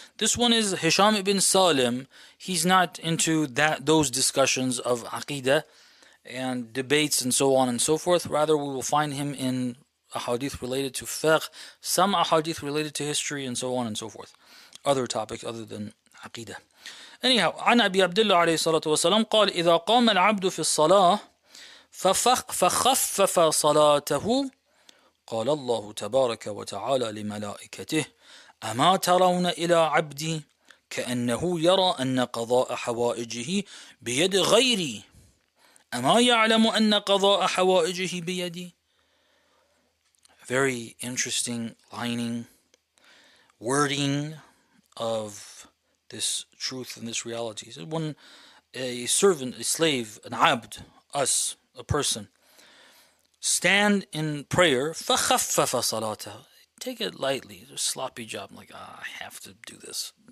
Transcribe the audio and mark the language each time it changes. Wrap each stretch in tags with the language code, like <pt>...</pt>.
<en>This one is Hisham ibn Salim. He's not into those discussions of aqidah and debates and so on and so forth. Rather, we will find him in ahadith related to fiqh, some ahadith related to history, and so on and so forth. Other topics other than aqidah. Anyhow,</en> <ar>عن أبي عبد الله عليه الصلاة والسلام قال إذا قام العبد في الصلاة فخفف صلاته قال الله تبارك وتعالى لملائكته أما ترون إلى عبدي كأنه يرى أن قضاء حوائجه بيد غيري أما يعلم أن قضاء حوائجه بيدي.</ar> <en>Very interesting lining, wording of this truth and this reality. He said, when a servant, a slave, an abd, us, a person, stand in prayer,</en> <ar>فَخَفَّفَ صَلَاتَهُ,</ar> <en>take it lightly, it's a sloppy job, I'm like, I have to do this.</en>